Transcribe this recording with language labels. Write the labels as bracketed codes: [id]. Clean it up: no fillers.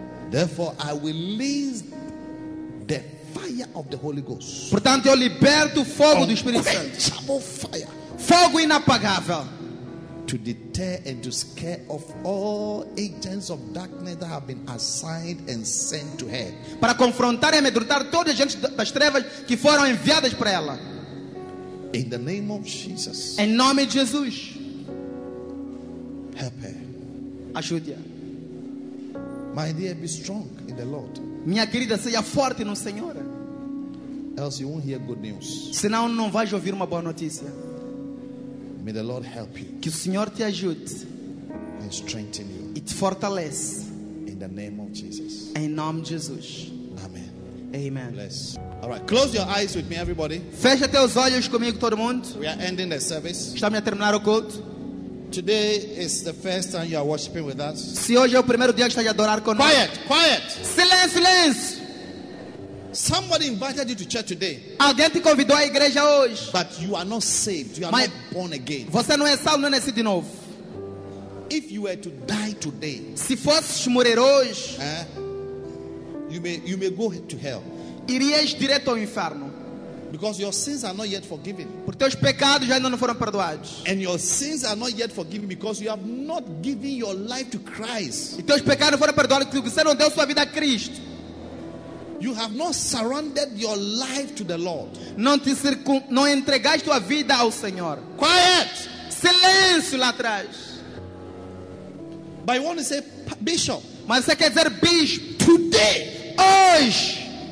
[en] Therefore, I release the fire of the Holy Ghost. [pt] Portanto, eu liberto o fogo do Espírito Santo. [en] Unquenchable fire. [pt] Fogo inapagável. [en] To deter and to scare off all agents of darkness that have been assigned and sent to her. [pt] Para confrontar e amedrontar todas as gentes das trevas que foram enviadas para ela. [en] In the name of Jesus. [pt] Em nome de Jesus. [en] Help her. [pt] Ajude-a. [en] My dear, be strong in the Lord. [pt] Minha querida, seja forte no Senhor. [en] Else you won't hear good news. [pt] Senão não vais ouvir uma boa notícia. [en] May the Lord help you. [pt] Que o Senhor te ajude. [en] And strengthen you. [pt] E te fortalece. [en] In the name of Jesus. [pt] Em nome de Jesus. [en] Amen. [pt] Amen. [en] Bless. All right. Close your eyes with me, everybody. [pt] Fecha teus olhos comigo, todo mundo. [en] We are ending the service. [pt] Estamos a terminar o culto. [en] Today is the first time you are worshiping with us. [pt] Se hoje é o primeiro dia que está a adorar conosco. [en] Quiet, quiet. [pt] Silêncio, silêncio. [en] Somebody invited you to church today. [pt] Alguém te convidou à igreja hoje. [en] But you are not saved. You are not born again. [pt] Você não é salvo, não é nascido de novo. [en] If you were to die today, [pt] se fosse morrer hoje, [en] you may go to hell. [pt] Irias direto ao inferno. [en] Because your sins are not yet forgiven. [pt] Porque teus pecados ainda não foram perdoados. [en] And your sins are not yet forgiven because you have not given your life to Christ. [pt] E teus pecados não foram perdoados porque você não deu sua vida a Cristo. [en] You have not surrendered your life to the Lord. [pt] Não entregaste tua vida ao Senhor. [en] Quiet. [pt] Silêncio lá atrás. [en] But you want to say bishop. [pt] Mas você quer dizer bispo? [en] Today. [pt] Hoje.